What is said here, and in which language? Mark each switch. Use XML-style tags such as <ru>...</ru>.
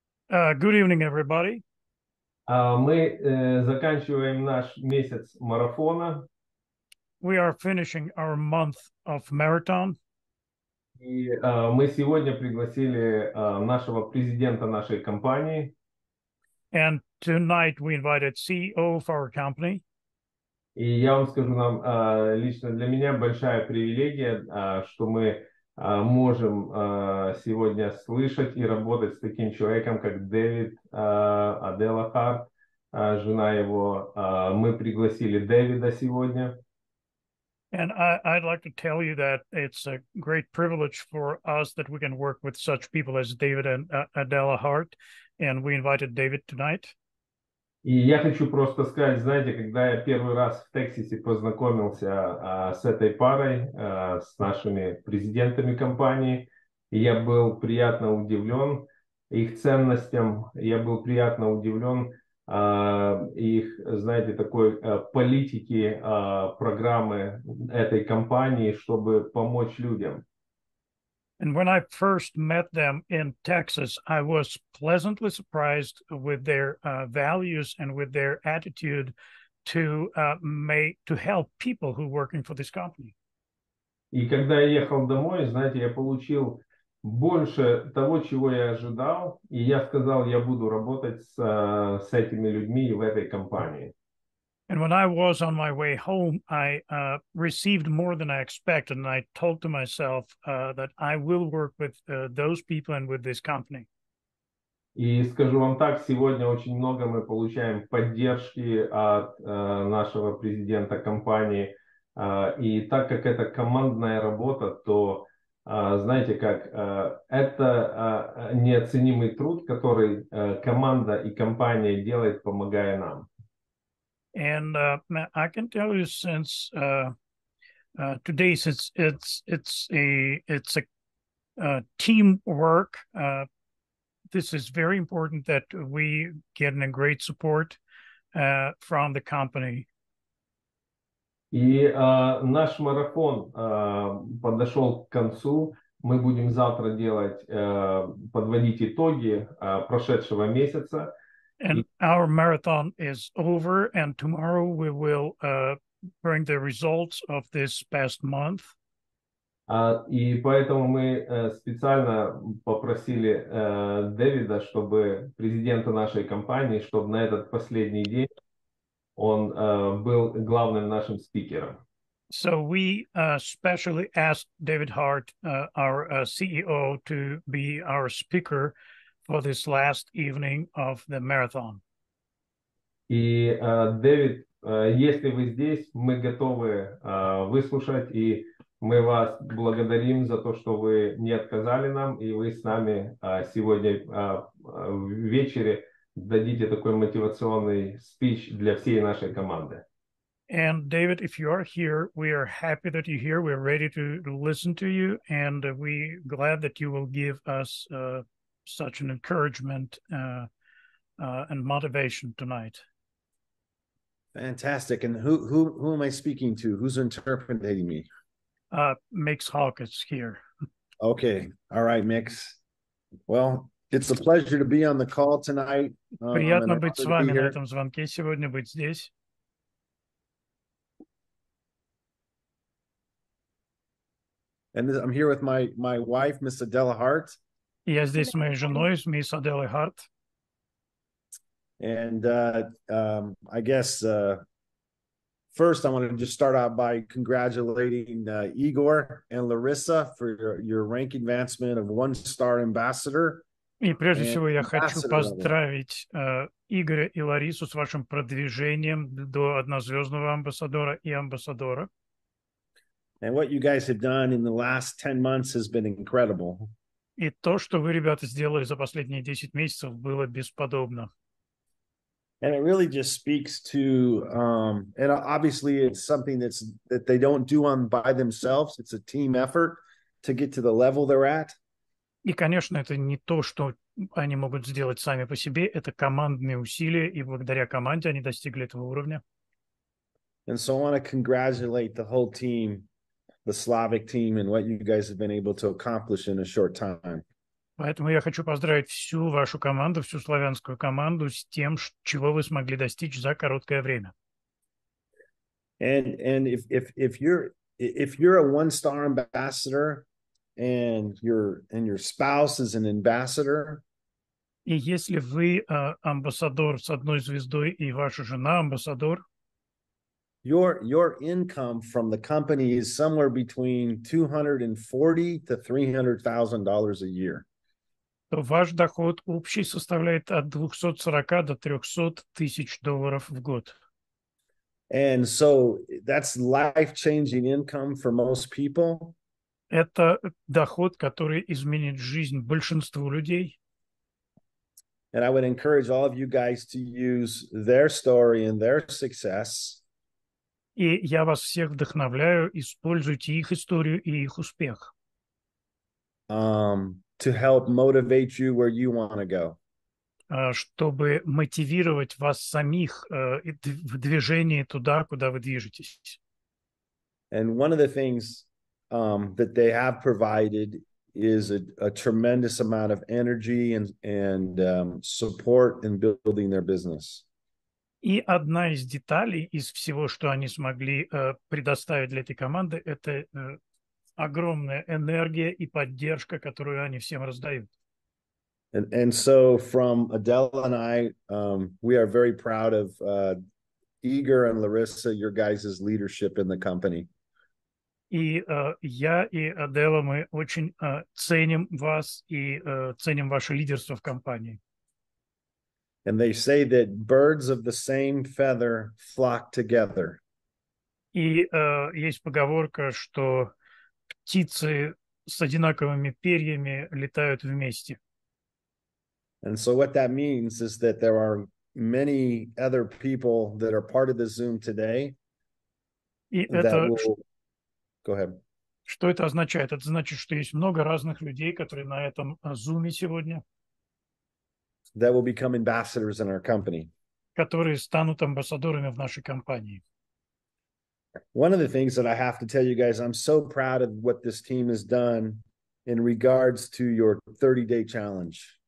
<en>Good evening, everybody.</en> <ru>Мы заканчиваем наш месяц марафона.</ru> <en>We are finishing our month of marathon.</en> <ru>И мы сегодня пригласили нашего президента нашей компании.</ru> <en>And tonight we invited CEO of our company.</en> <ru>И я вам скажу, нам лично для меня большая привилегия, что мы можем сегодня слышать и работать с таким человеком, как Дэвид Адела Харт, жена его. Мы пригласили Дэвида сегодня.</ru> <en>And I'd like to tell you that it's a great privilege for us that we can work with such people as David and Adela Hart, and we invited David tonight.</en> <ru>И я хочу просто сказать, знаете, когда я первый раз в Тексасе познакомился с этой парой, с нашими президентами компании, я был приятно удивлен их ценностям, я был приятно удивлен их, знаете, такой политики, программы этой компании, чтобы помочь людям.</ru> <en>And when I first met them in Texas, I was pleasantly surprised with their values and with their attitude to to help people who are working for this company.</en> <ru>И когда я ехал домой, знаете, я получил больше того, чего я ожидал, и я сказал, я буду работать с этими людьми в этой компании.</ru> <en>And when I was on my way home, I received more than I expected, and I told to myself that I will work with those people and with this company.</en> <ru>И скажу вам так, сегодня очень много мы получаем поддержки от нашего президента компании. И так как это командная работа, то знаете как, это неоценимый труд, который команда и компания делает, помогая нам.</ru> <en>And I can tell you since today, since it's a teamwork, this is very important that we get a great support from the company.</en> <ru>И наш марафон подошел к концу. Мы будем завтра подводить итоги прошедшего месяца.</ru> <en>And our marathon is over, and tomorrow we will bring the results of this past month.</en> <ru>И поэтому мы специально попросили Дэвида, чтобы президента нашей компании, чтобы на этот последний день он был главным нашим спикером.</ru> <en>So we specially asked David Hart, our CEO, to be our speaker for this last evening of the marathon.</en> <ru>И Дэвид, если вы здесь, мы готовы выслушать, и мы вас благодарим за то, что вы не отказали нам, и вы с нами сегодня в вечере дадите такой мотивационный спич для всей нашей команды.</ru> <en>And David, if you are here, we are happy that you're here. We're ready to listen to you, and we're glad that you will give us such an encouragement and motivation tonight. Fantastic. And who am I speaking to? Who's interpreting me? Mix Hawkins here. Okay. All right, Mix. Well, it's a pleasure to be on the call tonight. I'm</en> <ru>Приятно</ru> <en>an</en> <ru>быть с</ru> <en>honor to be</en> <ru>вами на</ru> <en>here.</en> <ru>этом звонке сегодня, быть здесь.</ru> <en>And I'm here with my wife, Miss Adela Hart.</en> <ru>Я здесь с моей женой, с мисс Аделой Харт.</ru> <en>And I guess first I want to just start out by congratulating Igor and Larissa for your rank advancement of one star ambassador</en> <ru>И прежде</ru> <en>and</en> <ru>всего я хочу</ru> <en>ambassador level.</en> <ru>поздравить Игоря и Ларису с вашим продвижением до однозвездного амбассадора и амбассадора.</ru> <en>And what you guys have done in the last 10 months has been incredible.</en> <ru>И то, что вы, ребята, сделали за последние 10 месяцев, было бесподобно.</ru> <en>And it really just speaks to, and obviously it's something that they don't do on by themselves. It's a team effort to get to the level they're at.</en> <ru>И, конечно, это не то, что они могут сделать сами по себе, это командные усилия, и благодаря команде они достигли этого уровня.</ru> <en>And so I want to congratulate the whole team the Slavic team and what you guys have been able to accomplish in a short time.</en> <ru>Поэтому я хочу поздравить всю вашу команду, всю славянскую команду с тем, чего вы смогли достичь за короткое время.</ru> <en>And if you're a one-star ambassador and your spouse is an ambassador.</en> <ru>И если вы амбассадор с одной звездой и ваша жена амбассадор,</ru> <en>your income from the company is somewhere between $240,000 to $300,000 a year.</en> <ru>То ваш доход общий составляет от 240 до 300 тысяч долларов в год.</ru> <en>And so that's life-changing income for most people.</en> <ru>Это доход, который изменит жизнь большинству людей.</ru> <en>And I would encourage all of you guys to use their story and their success.</en> <ru>И я вас всех вдохновляю, используйте их историю и их успех.</ru> <en>To help motivate you where you want to go.</en> <ru>Чтобы мотивировать вас самих в движении туда, куда вы движетесь.</ru> <en>And one of the things that they have provided is a tremendous amount of energy and support in building their business.</en> <ru>И одна из деталей из всего, что они смогли предоставить для этой команды, это огромная энергия и поддержка, которую они всем раздают.</ru> <en>And so from Adele and I, we are very proud of Igor and Larissa, your guys' leadership in the company.</en> <ru>И я и Адела, мы очень ценим вас и ценим ваше лидерство в компании.</ru> <en>And they say that birds of the same feather flock together.</en> <ru>И есть поговорка, что птицы с одинаковыми перьями летают вместе.</ru> <en>And so what that means is that there are many other people that are part of the Zoom today. Go ahead.</en> <ru>Что это означает? Это значит, что есть много разных людей, которые на этом Zoom сегодня.</ru> <en>That will become ambassadors in our company.</en> <ru>Которые станут амбассадорами в нашей компании.</ru> <en>One of the things that I have to tell you guys, I'm so proud of what this team has done in regards to your 30-day challenge.</en>